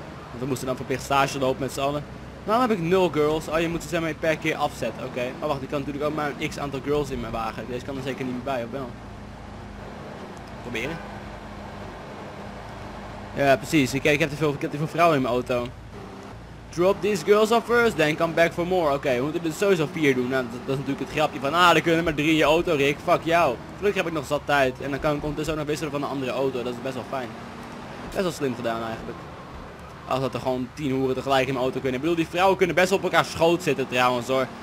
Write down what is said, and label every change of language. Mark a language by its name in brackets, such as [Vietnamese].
[Dutch] Want we moesten dan verplicht stage lopen met z'n allen. Waarom heb ik 0 girls? Oh, je moet ze zeg maar per keer afzetten, oké. Okay. Oh, wacht, ik kan natuurlijk ook maar een x aantal girls in mijn wagen. Deze kan er zeker niet meer bij, of wel? Proberen. Ja, precies. Ik heb te veel vrouwen in mijn auto. [English] Drop these girls off first, then come back for more. [Dutch] Oké, okay, we moeten er sowieso 4 doen. Nou, dat is natuurlijk het grapje van, ah, er kunnen maar 3 in je auto, Rick. Fuck jou. Gelukkig heb ik nog zat tijd. En dan kan ik ondertussen ook nog wisselen van een andere auto. Dat is best wel fijn. Best wel slim gedaan, eigenlijk. Als dat er gewoon 10 hoeren tegelijk in mijn auto kunnen. Ik bedoel, die vrouwen kunnen best op elkaar schoot zitten trouwens hoor.